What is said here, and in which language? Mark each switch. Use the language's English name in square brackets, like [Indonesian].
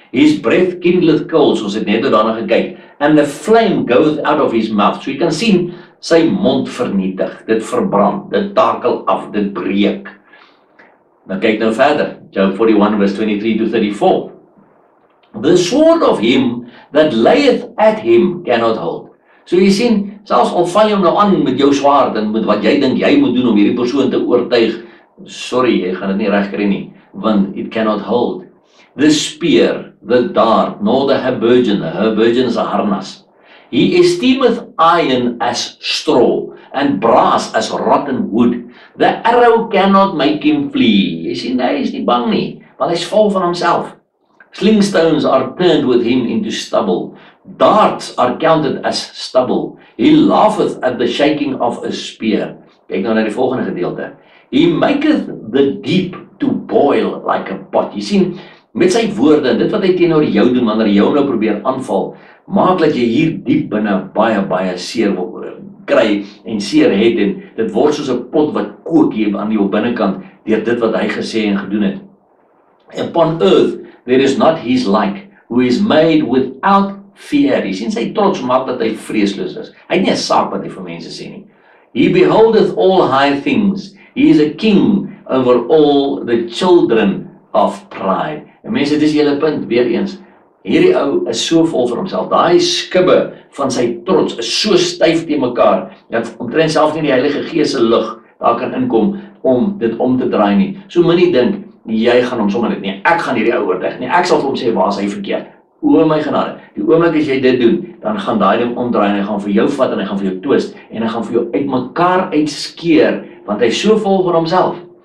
[English] His breath kindleth coals, [Afrikaans] ons het net daarna gekyk, [English] and the flame goeth out of his mouth. So you can see, [Afrikaans] sy mond vernietig, dit verbrand, dit takel af, dit breek. Nou kyk nou verder, Job 41 vers 23 to 34. [English] The sword of him that layeth at him cannot hold. [Afrikaans] So jy sien, selfs al val jou nou aan met jou swaard en met wat jy dink jy moet doen om hierdie persoon te oortuig, sorry, jy gaan dit nie reg kry nie, want [English] it cannot hold. The spear, the dart, nor the habergeon, the habergeon is a harnas. He esteemeth iron as straw, and brass as rotten wood. The arrow cannot make him flee. [Afrikaans] Jy sien, hy is nie bang nie, want hy is vol van homself. [English] Slingstones are turned with him into stubble. Darts are counted as stubble. He laugheth at the shaking of a spear. [Afrikaans] Kyk nou na die volgende gedeelte. [English] He maketh the deep to boil like a pot. [Afrikaans] Jy sien, met sy woorde, dit wat hy teenoor jou doen, wanneer jou nou probeer aanval, maak dat jy hier diep binne baie, baie seer kry en seer het en dit word soos 'n pot wat kook hier aan jou binnenkant deur dit wat hy gesê en gedoen het. [English] Upon earth, there is not his like, who is made without fear. [Afrikaans] Jy sien sy trots maak dat hy vreesloos is. Hy het nie 'n saak wat hy vir mense sê nie. [English] He beholdeth all high things. He is a king over all the children of pride. [Afrikaans] En mense, dit is julle punt, weer eens. Hierdie ou is so vol vir homself. Daai skibbe van sy trots is so styf teen mekaar, dat omtrent selfs nie die Heilige Gees se lig daar kan inkom om dit om te draai nie. So moenie dink jy gaan hom sommer net nie. Ek gaan hierdie ou oortuig nie. Ek sal vir hom sê waar hy verkeerd. O my genade. Die oomblik as jy dit doen, dan gaan daai ding omdraai en hy gaan vir jou vat en hy gaan vir jou twist en hy gaan vir jou uitmekaar uitskeer want hy is so vol van homself.